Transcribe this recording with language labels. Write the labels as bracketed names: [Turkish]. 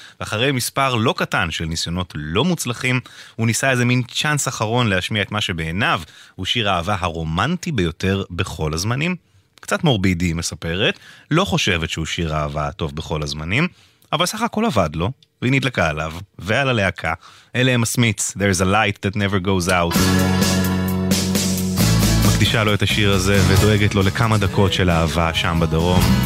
[Hebrew] ואחרי מספר לא קטן של ניסיונות לא מוצלחים, הוא ניסה איזה מין צ'אנס אחרון להשמיע את מה שבעיניו הוא שיר האהבה הרומנטי ביותר בכל הזמנים. קצת מורבידי, מספרת, לא חושבת שהוא שיר אהבה טוב בכל הזמנים, אבל סך הכל עבד לו, והיא נדלקה עליו, ועל הלהקה. אלה הם הסמיץ, [English] There is a light that never goes out. [Hebrew] מקדישה לו את השיר הזה, ודואגת לו לכמה דקות של אהבה שם בדרום.